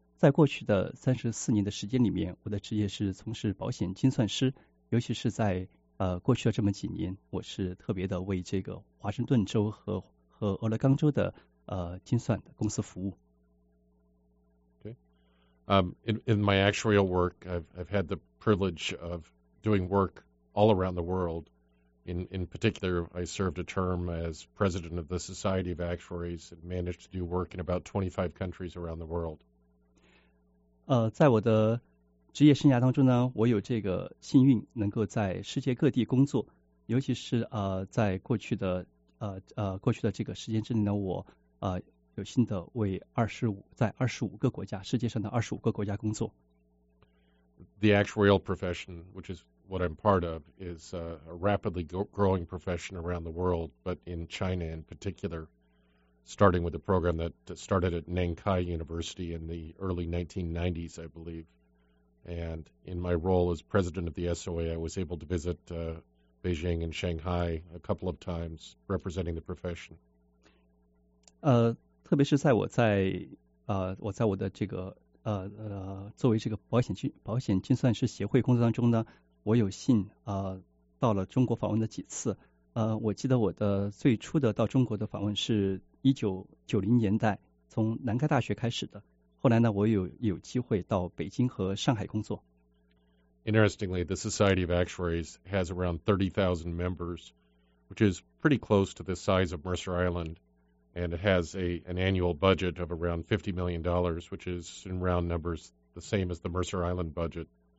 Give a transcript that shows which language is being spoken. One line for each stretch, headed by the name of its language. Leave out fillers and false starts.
Chinese: 在过去的34年的时间里面，我的职业是从事保险精算师，尤其是在过去的这么几年，我是特别的为这个华盛顿州和俄勒冈州的精算的公司服务。
English: Okay. In my actuarial work, I've had the privilege of doing work all around the world. In particular, I served a term as president of the Society of Actuaries and managed to do work in about 25 countries around the world.
Chinese: 在我的职业生涯当中呢，我有这个幸运能够在世界各地工作，尤其是在过去的这个时间之内呢，我有幸的为世界上的二十五个国家工作。
English: The actuarial profession, which is what I'm part of, is a rapidly growing profession around the world, but in China in particular. Starting with a program that started at Nankai University in the early 1990s, I believe. And in my role as president of the SOA, I was able to visit Beijing and Shanghai a couple of times, representing the profession.
Chinese: 特别是在我在我在我的这个作为这个保险精算师协会工作当中呢，我有幸到了中国访问了几次。我记得我的最初的到中国的访问是1990年代，从南开大学开始的。后来呢，我有机会到北京和上海工作。
English: Interestingly, the Society of Actuaries has around 30,000 members, which is pretty close to the size of Mercer Island, and it has an annual budget of around $50 million, which is in round numbers the same as the Mercer Island budget.